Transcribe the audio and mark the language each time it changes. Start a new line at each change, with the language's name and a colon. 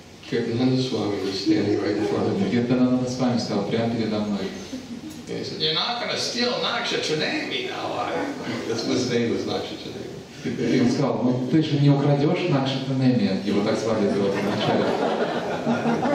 English: Киртананда Свами was standing right in front of me.
Russian: Киртананда Свами стоял прямо передо мной.
English: "You're not going to steal Nakshatranevi now, are you?" His name was Nakshatranevi.
Russian: И он сказал: "Ну ты же не украдешь Накшатранеми", его так звали в начале.